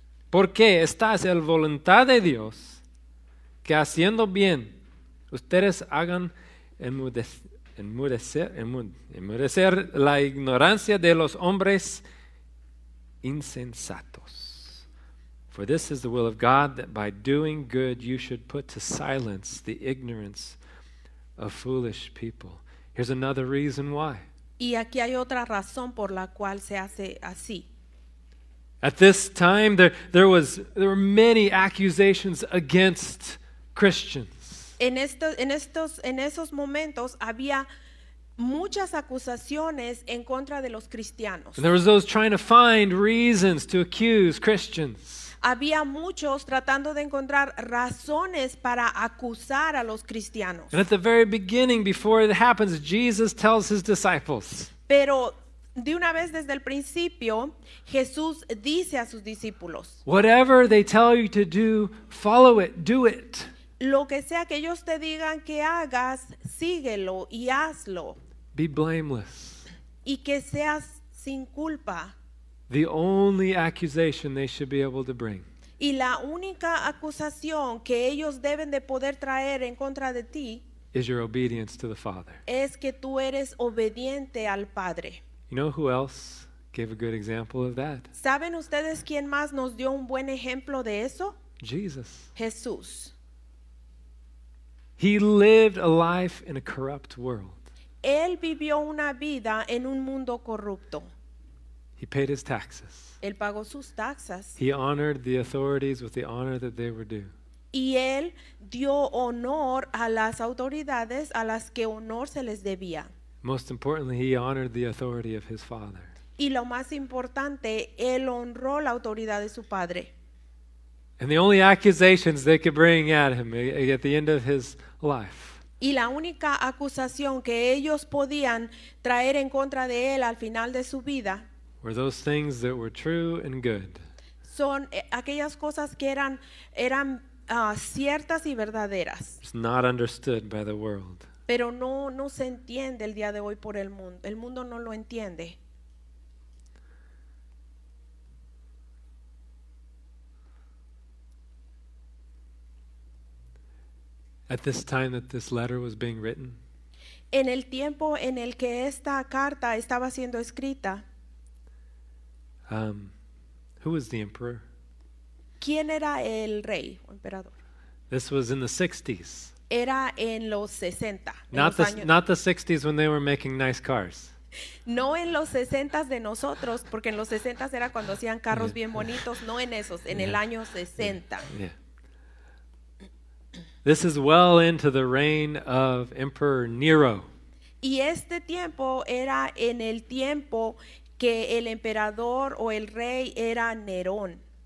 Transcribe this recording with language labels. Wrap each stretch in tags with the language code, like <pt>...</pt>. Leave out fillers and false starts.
<es>Porque esta es la voluntad de Dios, que haciendo bien ustedes hagan enmudecer la ignorancia de los hombres insensatos.</es> <en>For this is the will of God, that by doing good you should put to silence the ignorance of foolish people. Here's another reason why.</en> <es>Y aquí hay otra razón por la cual se hace así.</es> <en>At this time there were many accusations against Christians.</en> <es>En esos momentos había muchas acusaciones en contra de los cristianos.</es> <en>And there was those trying to find reasons to accuse Christians.</en> <es>Había muchos tratando de encontrar razones para acusar a los cristianos.</es> <en>And at the very beginning, before it happens, Jesus tells his disciples.</en> <es>Pero de una vez desde el principio, Jesús dice a sus discípulos.</es> <en>Whatever they tell you to do, follow it, do it.</en> <es>Lo que sea que ellos te digan que hagas, síguelo y hazlo.</es> <en>Be blameless.</en> <es>Y que seas sin culpa.</es> <en>The only accusation they should be able to bring.</en> <es>Y la única acusación que ellos deben de poder traer en contra de ti</es> <en>is your obedience to the Father.</en> <es>Es que tú eres obediente al Padre.</es> <en>You know who else gave a good example of that?</en> <es>¿Saben ustedes quién más nos dio un buen ejemplo de eso?</es> <en>Jesus.</en> <es>Jesús.</es> <en>He lived a life in a corrupt world.</en> <es>Él vivió una vida en un mundo corrupto.</es> <en>He paid his taxes.</en> <es>Él pagó sus taxas.</es> <en>He honored the authorities with the honor that they were due.</en> <es>Y él dio honor a las autoridades a las que honor se les debía.</es> <en>Most importantly, he honored the authority of his Father.</en> <es>Y lo más importante, él honró la autoridad de su padre.</es> <en>And the only accusations they could bring at him at the end of his life.</en> <es>Y la única acusación que ellos podían traer en contra de él al final de su vida</es> <en>were those things that were true and good.</en> <es>Son aquellas cosas que eran ciertas y verdaderas.</es> <en>It's not understood by the world.</en> <es>Pero no se entiende el día de hoy por el mundo. El mundo no lo entiende.</es> <en>At this time that this letter was being written,</en> <es>en el tiempo en el que esta carta estaba siendo escrita,</es> <en>who was the emperor?</en> <es>¿Quién era el rey o emperador?</es> <en>This was in the 60s.</en> <es>Era en los 60.</es> <en>Not the 60s when they were making nice cars.</en> <es>No en los 60s de nosotros, porque en los 60s era cuando hacían carros bien bonitos, no en esos, en el año 60.</es> <en>Yeah. This is well into the reign of Emperor Nero.</en> <es>Y este tiempo era en el tiempo que el emperador o el rey era Nerón.</es>